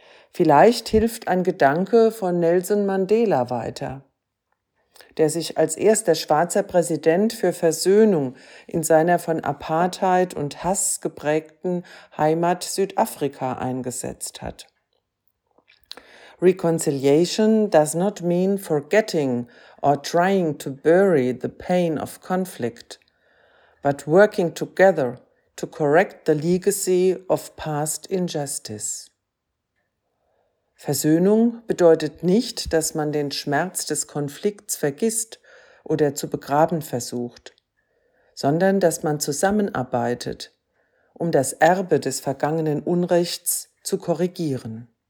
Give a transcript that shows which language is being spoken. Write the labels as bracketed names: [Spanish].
[German] Vielleicht hilft ein Gedanke von Nelson Mandela weiter, der sich als erster schwarzer Präsident für Versöhnung in seiner von Apartheid und Hass geprägten Heimat Südafrika eingesetzt hat. [English] Reconciliation does not mean forgetting or trying to bury the pain of conflict, but working together to correct the legacy of past injustice. [German] Versöhnung bedeutet nicht, dass man den Schmerz des Konflikts vergisst oder zu begraben versucht, sondern dass man zusammenarbeitet, um das Erbe des vergangenen Unrechts zu korrigieren.